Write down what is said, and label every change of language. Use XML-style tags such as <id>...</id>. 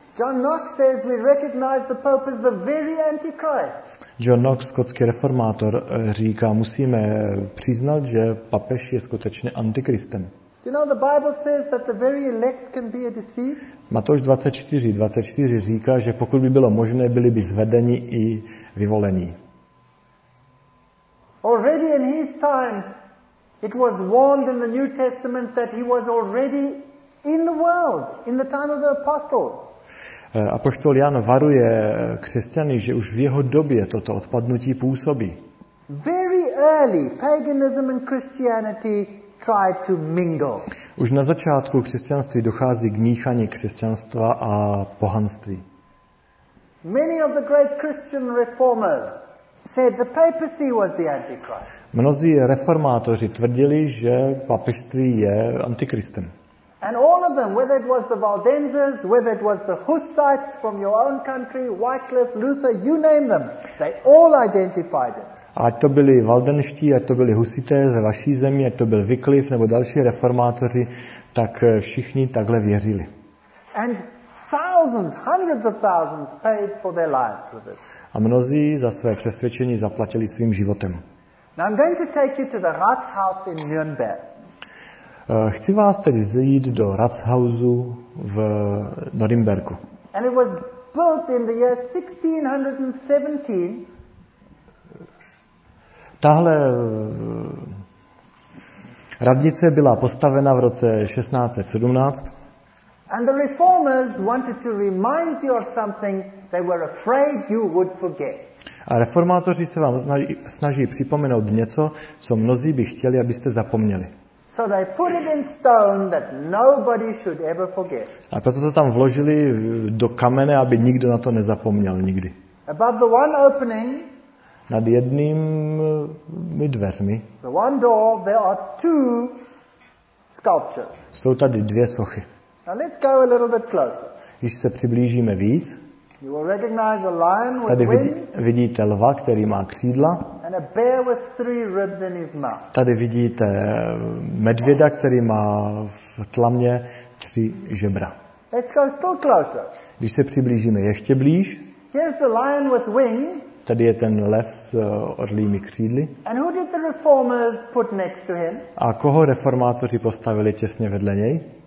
<en>John Knox says we recognize the Pope as the very Antichrist.</en> <cs>John Knox, skotský reformátor, říká, musíme přiznat, že papež je skutečně antikristem.</cs> <en>Do you know the Bible says that the very elect can be a deceived?</en> <cs>Matouš 24:24 říká, že pokud by bylo možné, byli by zvedeni i vyvolení.</cs> <en>Already in his time it was warned in the New Testament that he was already in the world in the time of the apostles.</en> <cs>Apoštol Jan varuje křesťany, že už v jeho době toto odpadnutí působí.</cs> <en>Very early paganism and Christianity tried to mingle.</en> <cs>Už na začátku křesťanství dochází k míchání křesťanstva a pohanství.</cs> <en>Many of the great Christian reformers said the papacy was the antichrist.</en> <cs>Mnozí reformátoři tvrdili, že papežství je antikristem.</cs> <en>And all of them, whether it was the Waldenses, whether it was the Hussites from your own country, Wycliffe, Luther, you name them, they all identified it.</en> <cs>Ať to byli Waldenští, ať to byli Husité ze vaší země, ať to byl Wycliffe nebo další reformátoři, tak všichni takhle věřili.</cs> <en>And thousands, hundreds of thousands paid for their lives with it.</en> <cs>A mnozí za své přesvědčení zaplatili svým životem.</cs> <en>Now I'm going to take you to the Rathaus in Nürnberg.</en> <cs>Chci vás teď vzít do Rathausu v Norimberku.</cs> <en>And it was built in the year 1617.</en> <cs>Tahle radnice byla postavena v roce 1617.</cs> <en>And the reformers wanted to remind you of something they were afraid you would forget.</en> <cs>A reformátoři se vám snaží připomenout něco, co mnozí by chtěli, abyste zapomněli.</cs> <en>So they put it in stone that nobody should ever forget.</en> <cs>A proto to tam vložili do kamene, aby nikdo na to nezapomněl nikdy.</cs> <en>Above the one opening,</en> <cs>nad jednými dveřmi,</cs> <en>the one door, there are two sculptures.</en> <cs>Jsou tady dvě sochy.</cs> <en>Now let's go a little bit closer.</en> <cs>Když se přiblížíme víc,</cs> <en>you will recognize a lion with</en> <cs>tady</cs> <en>wings.</en> <cs>Vidíte lva, který má křídla.</cs> <en>And a bear with three ribs in his mouth.</en> <cs>Tady vidíte medvěda, který má v tlamě tři žebra.</cs> <en>Let's go still closer.</en> <cs>Když se přiblížíme ještě blíž,</cs> <en>here's the lion with wings.</en> <cs>Tady je ten lev s orlými křídly.</cs> <en>And who did the reformers put next to him?</en> <cs>A koho reformátoři postavili těsně vedle něj?</cs>